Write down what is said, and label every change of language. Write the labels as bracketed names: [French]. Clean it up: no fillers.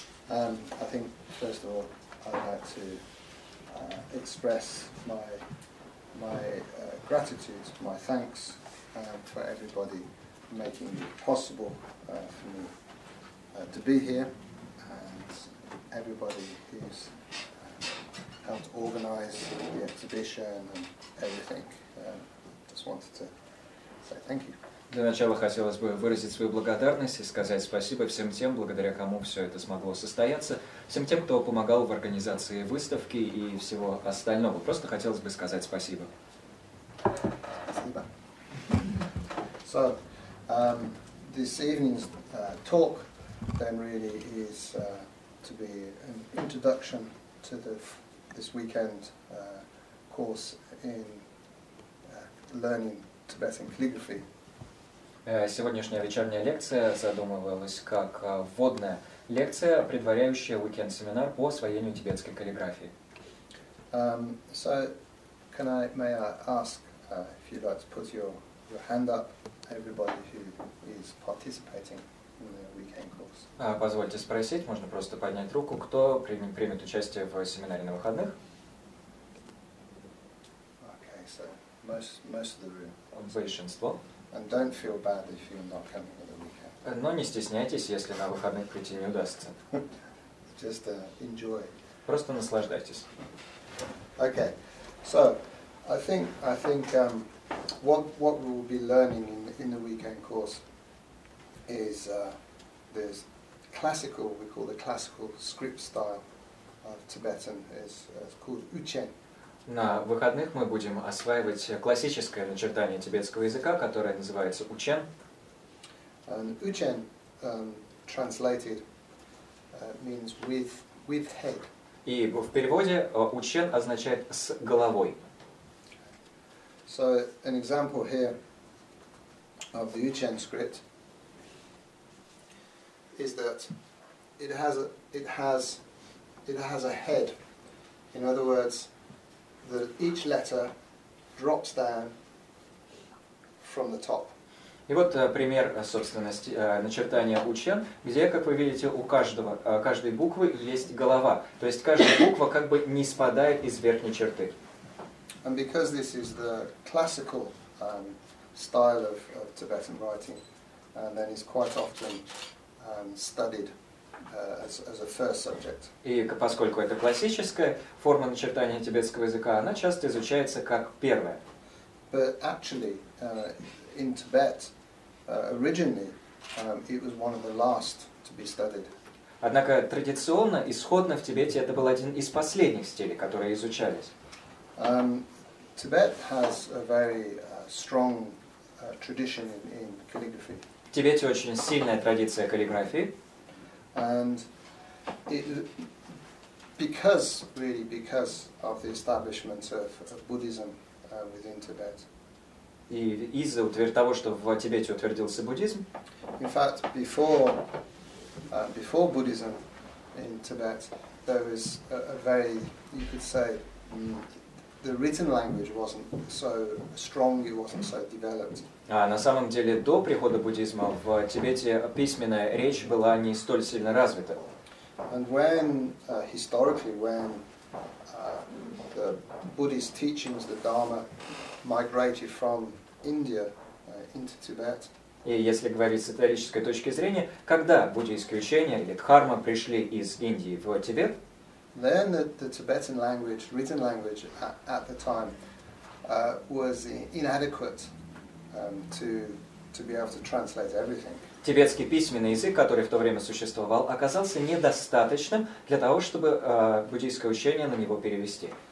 [English] I think, first of all, I'd like to express my gratitude, my thanks for everybody making it possible for me to be here, and everybody who's helped organize the exhibition and everything. Just wanted to say thank you. [Russian] Для начала хотелось бы выразить свою благодарность и сказать спасибо всем тем, благодаря кому все это смогло состояться, всем тем, кто помогал в организации выставки и всего остального. Просто хотелось бы сказать спасибо. Спасибо. [English] So, this evening's talk then really is to be an introduction to this weekend course in learning Tibetan calligraphy. [Russian] Сегодняшняя вечерняя лекция задумывалась как вводная лекция, предваряющая уикенд-семинар по освоению тибетской каллиграфии. [English] So, can I, may I ask, if you'd like to put your hand up, everybody who is participating in the weekend course? [Russian] Позвольте спросить, можно просто поднять руку, кто примет участие в семинаре на выходных? [English] Okay, so most of the room. [Russian] Большинство. [English] And don't feel bad if you're not coming on the weekend. [Russian] Но не стесняйтесь, если на выходных прийти не удастся. [English] Just enjoy. [Russian] Просто наслаждайтесь. [English] Okay, so I think what we will be learning in the weekend course is there's classical, we call the classical script style of Tibetan, it's called Uchen. [Russian] На выходных мы будем осваивать классическое начертание тибетского языка, которое называется учен. [English] Учен, translated, means with head. [Russian] И в переводе учен означает «с головой». [English] So, an example here of the учен script is that it has a head. In other words, that each letter drops down from the top. [Russian] И вот пример, собственно, начертания учен, где, как вы видите, у каждой буквы есть голова. То есть каждая буква как бы не спадает из верхней черты. [English] And because this is the classical style of Tibetan writing, and then it's quite often studied as a first subject. [Russian] И поскольку это классическая форма начертания тибетского языка, она часто изучается как первая. [English] But actually, in Tibet, originally, it was one of the last to be studied. [Russian] Однако традиционно, исходно в Тибете это был один из последних стилей, которые изучались. [English] Tibet has a very strong tradition in calligraphy. [Russian] В Тибете очень сильная традиция каллиграфии. [English] And it, because of the establishment of Buddhism within Tibet. [Russian] И из-за того, что в Тибете утвердился буддизм. [English] In fact, before Buddhism in Tibet, there was a very, you could say, the written language wasn't so strong, it wasn't so developed. [Russian] А на самом деле до прихода буддизма в Тибете письменная речь была не столь сильно развита. [English] And when historically when the Buddhist teachings, the Dharma, migrated from India into Tibet, [Russian] И если говорить с эзотерической точки зрения, когда буддийские учения или дхарма пришли из Индии в Тибет? [English] Then the Tibetan language, written language at the time, was inadequate to be able to translate everything. [Russian] Тибетский письменный язык, который в то время существовал, оказался недостаточным для того, чтобы буддийское учение на него перевести.